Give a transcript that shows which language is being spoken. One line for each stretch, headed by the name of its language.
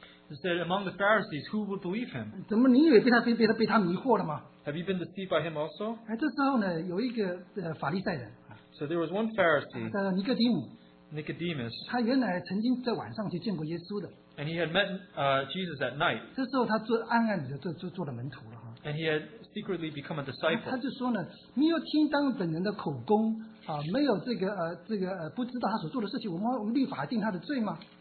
English: He said, among the Pharisees, who would believe him?
Chinese: 怎么你以为被他迷惑了吗？
English: Have you been deceived by him also?
Chinese: 这时候呢，有一个法利赛人。
English: So there was one Pharisee.
Chinese: 尼哥底母。Nicodemus. 他原来曾经在晚上去见过耶稣的。
English: And he had met Jesus at night.
Chinese: 这时候他暗暗地就做了门徒了。
English: And he had secretly become a disciple.
Chinese: 他就说呢，没有听当本人的口供，没有不知道他所做的事情，我们律法定他的罪吗？